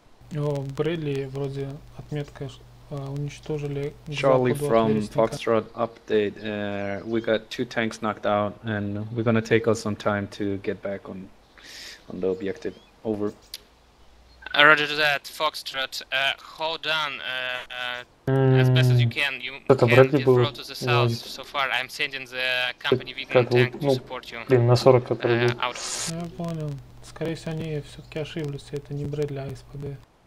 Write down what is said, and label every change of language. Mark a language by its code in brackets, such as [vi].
[ru] Брэдли вроде отметка уничтожили. [en] Charlie from Foxtrot update. We got two tanks knocked out and we're gonna take us some time to get back on the objective. Over. Roger to that, Foxtrot. Hold on. As best as you can. You can get road to the south. So far, I'm sending the company Vigilant tank to support you. [ru] Блин, на 40 который. Я понял. Скорее всего, они все-таки ошиблись. Это не Брэдли, а СПД.